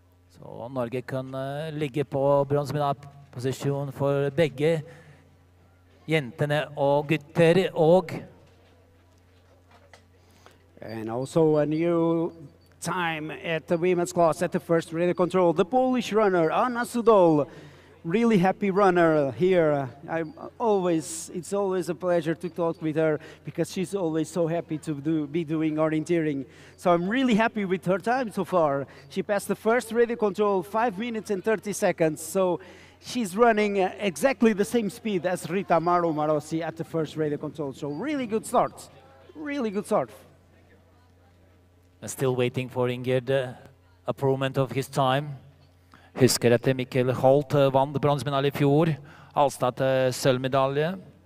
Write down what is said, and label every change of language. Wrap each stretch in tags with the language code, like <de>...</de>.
<no>Så Norge kan ligge på bronsemedaljeposisjon for begge jentene og gutter og.</no> <en>And also a new time at the women's class at the first radio control. The Polish runner Anna Sudol. Really happy runner here. It's always a pleasure to talk with her because she's always so happy to be doing orienteering. So I'm really happy with her time so far. She passed the first radio control, 5:30. So she's running exactly the same speed as Rita Maru Marossi at the first radio control. So really good start. Really good start. I'm still waiting for Ingrid improvement of his time.</en> <no>Husker at Mikkel Holt vant bronsemedalje I fjor, Alstad sølvmedalje.</no>